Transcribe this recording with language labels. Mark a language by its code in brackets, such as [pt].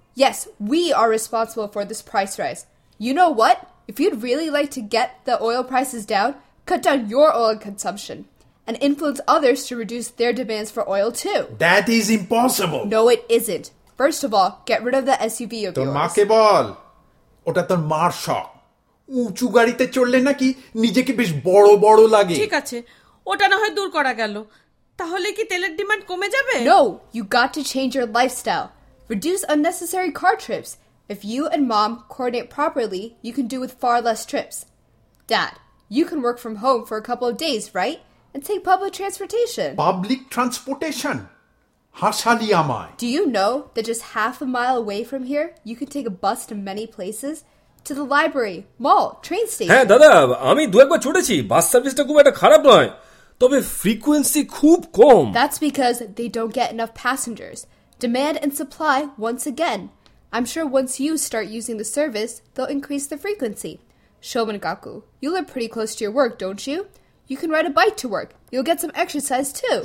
[en] Yes, we are responsible for this price rise. You know what? If you'd really like to get the oil prices down, cut down your oil consumption and influence others to reduce their demands for oil too. That is impossible. No, it isn't. First of all, get rid of the SUV of yours. [bn] তোর মাকে বল, ওটা তোর মার শখ। উঁচু গাড়িতে চললে নাকি নিজেকে বেশ বড় বড় লাগে। ঠিক আছে, ওটা না হয় দূর করা গেল। তাহলে কি তেলের ডিমান্ড কমে যাবে? [en] No, you got to change your lifestyle. Reduce unnecessary car trips. If you and mom coordinate properly, you can do with far less trips. Dad, you can work from home for a couple of days, right? And take public transportation. Public transportation? [bn] Hashali amai. [en] Do you know that just half a mile away from here, you can take a bus to many places? To the library, mall, train station. [bn] হ্যাঁ দাদা, আমি দু একবার চড়েছি। বাস সার্ভিসটা খুব একটা খারাপ নয়, তবে ফ্রিকোয়েন্সি খুব কম। [en] That's because they don't get enough passengers. Demand and supply once again. I'm sure once you start using the service, they'll increase the frequency. Shomengaku, you live pretty close to your work, don't you? You can ride a bike to work. You'll get some exercise too.